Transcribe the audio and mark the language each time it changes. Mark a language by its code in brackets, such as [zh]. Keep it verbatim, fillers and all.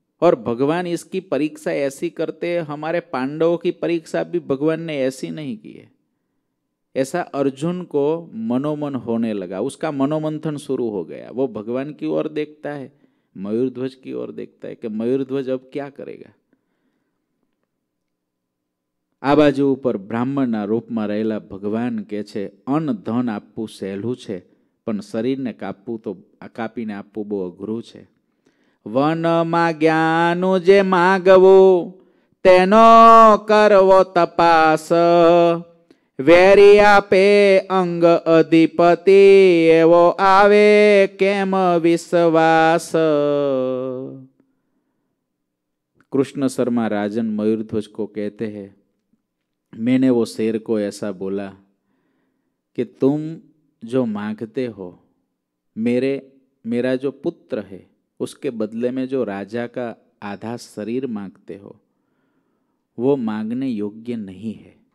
[hi] और भगवान इसकी परीक्षा ऐसी करते, हमारे पांडवों की परीक्षा भी भगवान ने ऐसी नहीं की है, ऐसा अर्जुन को मनोमन होने लगा। उसका मनोमंथन शुरू हो गया। वो भगवान की ओर देखता है, मयूरध्वज की ओर देखता है कि मयूरध्वज अब क्या करेगा। [gu] આ બાજુ ઉપર બ્રાહ્મણના રૂપમાં રહેલા ભગવાન કહે છે, અન્ન ધન આપવું સહેલું છે પણ શરીરને કાપવું તો કાપીને આપવું બહુ અઘરું છે। વનમાં જ્ઞાનનું જે માગવું તેનો કરવો તપાસ, વેરી આપે અંગ અધિપતિ એવો આવે કેમ વિશ્વાસ। [hi] કૃષ્ણ શર્મા રાજન મયુરધ્વજ કો કહેતે હૈ, मैंने वो शेर को ऐसा बोला कि तुम जो मांगते हो, मेरे मेरा जो पुत्र है उसके बदले में जो राजा का आधा शरीर मांगते हो वो मांगने योग्य नहीं है।